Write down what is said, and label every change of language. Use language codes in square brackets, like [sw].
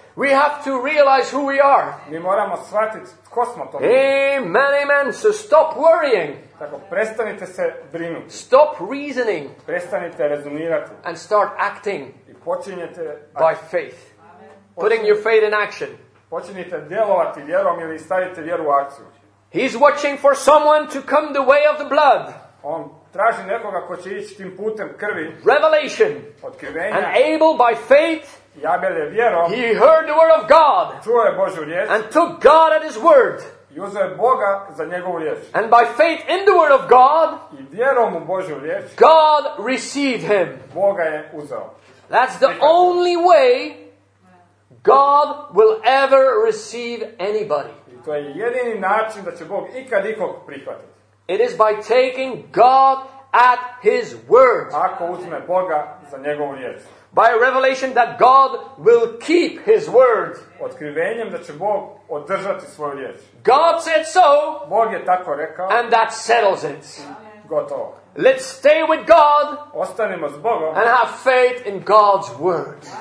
[en] We have to realize who we are. [hr] Mi moramo shvatiti tko smo to. [en] Amen, amen. So stop worrying. [hr] Tako, prestanite se brinuti. [en] Stop reasoning. [hr] Prestanite rezonirati. [en] And start acting. [hr] I počinjete [en] by faith. Amen. Putting your faith in action. [hr] Počinjete djelovati vjerom ili stavite vjeru u akciju. [en] He's watching for someone to come the way of the blood. [hr] On traži nekoga ko će ići tim putem krvi. [en] Revelation. [hr] Otkrivenja. [en] And able by faith. [hr] I Abel je vjerom. [en] He heard the word of God. [hr] Čuo je Božju riječ. [en] And took God at his word. [hr] I uzeo Boga za njegovu riječ. [en] And by faith in the word of God, [hr] i vjerom u Božju riječ, [en] God received him. [hr] Boga je uzeo. [en] That's the [hr] nikad. [en] Only way God will ever receive anybody. [hr] I to je jedini način da će Bog ikad ikog prihvatiti. [en] It is by taking God at his word. [hr] Ako uzme Boga za njegovu riječ. [en] By a revelation that God will keep his word. [hr] Otkrivenjem da će Bog održati svoju riječ. [en] God said so. [hr] Bog je tako rekao. [en] And that settles it. [hr] Gotovo. [en] Let's stay with God. [hr] Ostanimo s Bogom. [en] And have faith in God's word.